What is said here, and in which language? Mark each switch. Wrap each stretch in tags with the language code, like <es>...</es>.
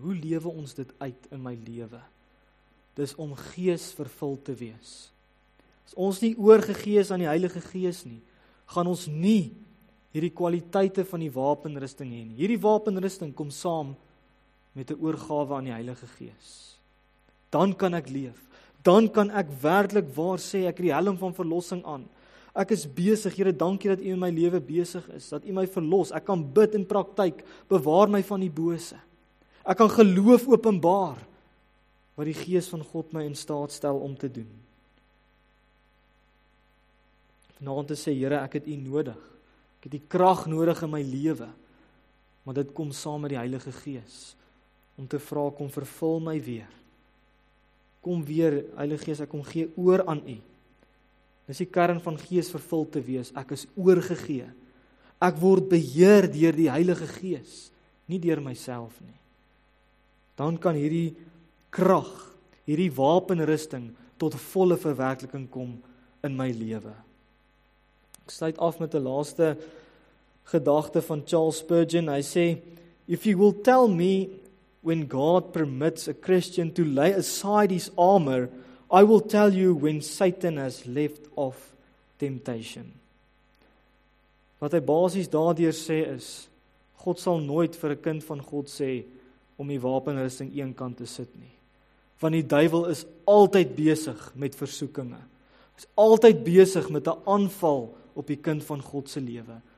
<af>Hoe lewe ons dit uit in my lewe? Dis om gees vervuld te wees. As ons nie oorgegee is aan die Heilige Gees nie, gaan ons nie hierdie kwaliteite van die wapenrusting hê nie. Hierdie wapenrusting kom saam met 'n oorgawe aan die Heilige Gees. Dan kan ek leef. Dan kan ek werklik waar sê, ek het die helm van verlossing aan. Ek is besig, Here, dankie dat U in my lewe besig is, dat U my verlos. Ek kan bid in praktyk, bewaar my van die bose. Ek kan geloof openbaar wat die Gees van God my in staat stel om te doen. Vanaand te sê, Here, ek het U nodig. Ek het die krag nodig in my lewe. Maar dit kom saam met die Heilige Gees om te vra, kom vervul my weer. Kom weer, Heilige Gees, ek kom gee oor aan U. Dis die kern van gees vervul te wees. Ek is oorgegee. Ek word beheer deur die Heilige Gees, nie deur myself nie. Dan kan hierdie krag, hierdie wapenrusting tot volle verwerkeliking kom in my lewe. Ek sluit af met 'n laaste gedagte van Charles Spurgeon.</af> <en>Hy sê, "If you will tell me when God permits a Christian to lay aside his armor, I will tell you when Satan has left off temptation."</en> <af>Wat hy basies daardeur sê is, God sal nooit vir 'n kind van God sê om die wapenrusting een kant te sit nie. Want die duivel is altyd besig met versoekinge. Is altyd besig met 'n aanval op die kind van God se lewe.</af>